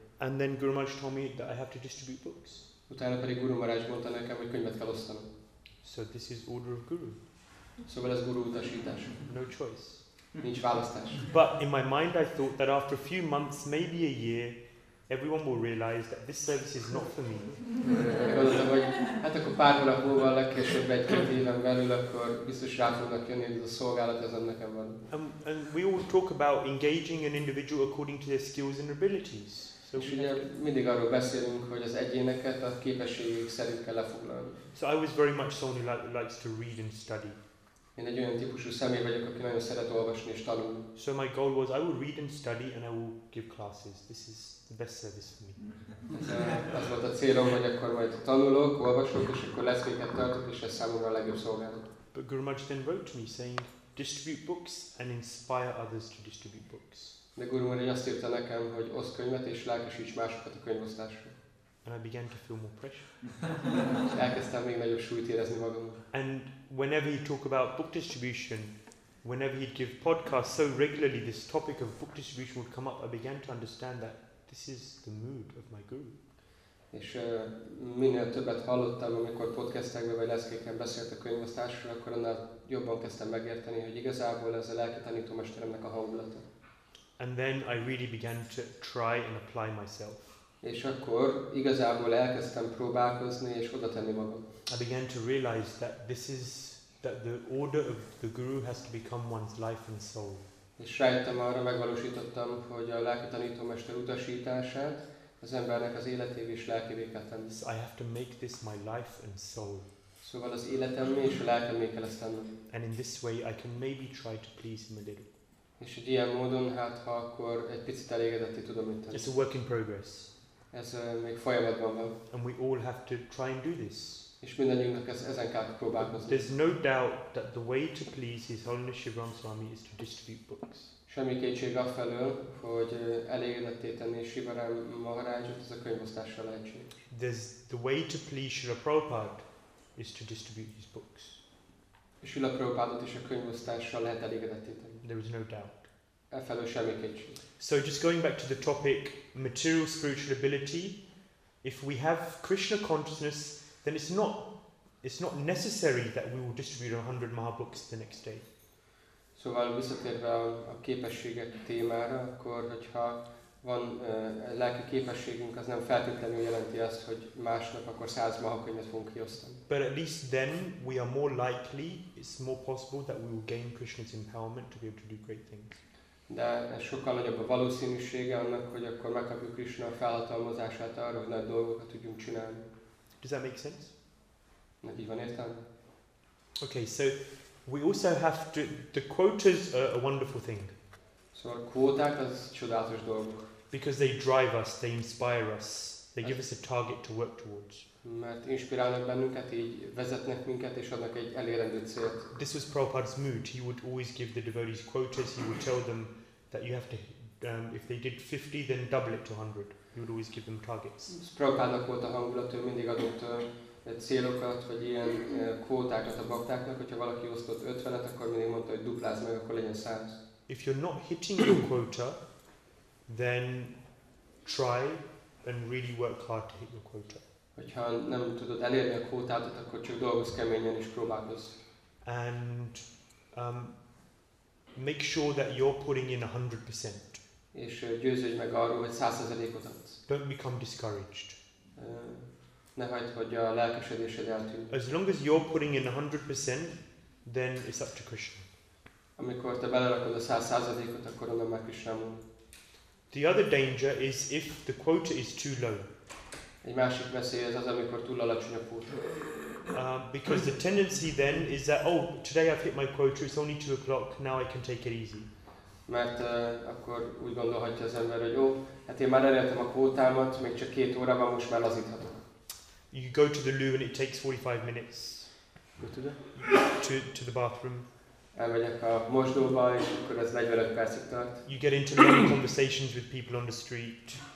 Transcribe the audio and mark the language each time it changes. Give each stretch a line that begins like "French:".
English: And then Guru Maharaj told me that I have to distribute books.
Hungarian: Utána pedig Guru Maharaj mondta nekem, hogy könyvet kell osztanom.
English: So this is order of Guru.
Hungarian: Szóval ez Guru utasítás.
English: No choice.
Hungarian: Nincs választás.
English: But in my mind I thought that after a few months, maybe a year, everyone will realize that this service is not for me.
Hungarian: Gondoltam, hogy hát akkor pár hónap múlva, legkésőbb egy-két éven belül, akkor biztos rá fognak jönni, hogy ez a szolgálat ez nekem van.
English: And we all talk about engaging an individual according to their skills and abilities.
Hungarian: So és ugye mindig arról beszélünk, hogy az egyéneket a képességük szerint kell lefoglalni.
English: So I was very much someone who likes to read and study.
Hungarian: Én egy olyan típusú személy vagyok, aki nagyon szeret olvasni és tanulni.
English: So my goal was I will read and study and I will give classes. This is the best service for me.
Hungarian: Az volt a célom, hogy akkor majd tanulok, olvasok és akkor leckéket tartok és ez számomra a legjobb szolgálat.
English: But Guru Maharaj then wrote to me saying, distribute books and inspire others to distribute books.
Hungarian: De Guru Maharaj azt írta nekem, hogy oszd könyvet és lelkesíts másokat a könyvosztásra.
English: And I began to feel more pressure.
Hungarian: Elkezdtem még nagyobb súlyt érezni magamon.
English: And whenever he talk about book distribution, whenever he'd give podcasts so regularly, this topic of book distribution would come up. I began to understand that this is the mood of my guru.
Hungarian: És minél többet hallottam, amikor podcastekben vagy leszkéken beszélt a könyvosztásról, akkor annál jobban kezdtem megérteni, hogy igazából ez a lelki tanítómesteremnek a hangulata.
English: And then I really began to try and apply myself.
Hungarian: És akkor igazából elkezdtem próbálkozni és oda tenni magam.
English: I began to realize that this is that the order of the guru has to become one's life and soul.
Hungarian: És rájöttem arra, megvalósítottam, hogy a lelki tanítómester utasítását az embernek az életévé és lelkévé kell tenni.
English: So I have to make this my life and soul.
Hungarian: Szóval az életemmé és a lelkemmé kell ezt tennem.
English: And in this way I can maybe try to please him a little.
Hungarian: És egy ilyen módon, hát ha akkor egy picit elégedetté tudom itt tenni.
English: It's a work in progress.
Hungarian: Ez még folyamatban van.
English: And we all have to try and do this.
Hungarian: És mindannyiunknak ezen kell próbálkozni.
English: There's no doubt that the way to please His Holiness Shri Ram Swami is to distribute books.
Hungarian: Semmi kétség afelől, hogy elégedetté tenni Shri Ram Maharajot, ez a könyvosztással lehetség.
English: There's the way to please Shri Prabhupada is to distribute His books.
Hungarian: Shri Prabhupadot is a könyvosztással lehet elégedetté tenni.
English: There is no doubt.
Hungarian: Efelől semmi kétség.
English: So just going back to the topic, material spiritual ability, if we have Krishna consciousness, then it's not necessary that we will distribute 100 maha books the next day.
Hungarian: Szóval visszatérve a képességek témára, akkor hogyha van lelki képességünk, az nem feltétlenül jelenti azt, hogy másnap akkor 100 maha könyvet fogunk kiosztani.
English: But at least then we are more likely, it's more possible that we will gain Krishna's empowerment to be able to do great things.
Hungarian: De ez sokkal nagyobb a valószínűsége annak, hogy akkor megkapjuk Krishna felhatalmazását arra, hogy nagy dolgokat tudjunk csinálni.
English: Does that make sense?
Hungarian: Na, így van értelme.
English: Okay, so we also have to, the quotas are a wonderful thing.
Hungarian: Szóval a kvóták az csodálatos dolgok.
English: Because they drive us, they inspire us, they give us a target to work towards.
Hungarian: Mert inspirálnak bennünket, így vezetnek minket és adnak egy elérendő célt.
English: This was Prabhupada's mood. He would always give the devotees quotas. He would tell them that you have to, if they did 50, then double it to 100. He would always give them targets.
Hungarian: Prabhupádnak volt a hangulat, ő mindig adott célokat, vagy ilyen kvótákat a baktáknak, hogyha valaki osztott 50-et, akkor mindig mondta, hogy duplázd meg, akkor legyen 100.
English: If you're not hitting your quota, then try and really work hard to hit your quota.
Hungarian: Hogyha nem tudod elérni a kvótádat, akkor csak dolgozz keményen és próbálkozz.
English: And make sure that you're putting in 100%.
Hungarian: És győződj meg arról, hogy 100%-ot adsz.
English: Don't become discouraged.
Hungarian: Ne hagyd, hogy a lelkesedésed eltűnj.
English: As long as you're putting in 100%, then it's up to Krishna.
Hungarian: Amikor te belerakod a 100%-ot, akkor onnan már Krishna múl.
English: The other danger is if the quota is too low.
Hungarian: Egy másik veszély az, amikor túl alacsony a quota.
English: Because the tendency then is that, oh, today I've hit my quota, it's only 2 o'clock, now I can take it easy.
Hungarian: Mert akkor úgy gondolhatja az ember, hogy jó, hát én már elértem a kvótámat, még csak 2 óra van, most már lazíthatok.
English: You go to the loo and it takes 45 minutes. Go to the? To the bathroom.
Hungarian: Elmegyek a mosdóba, és akkor ez 45 percig tart.
English: You get into many conversations with people on the street.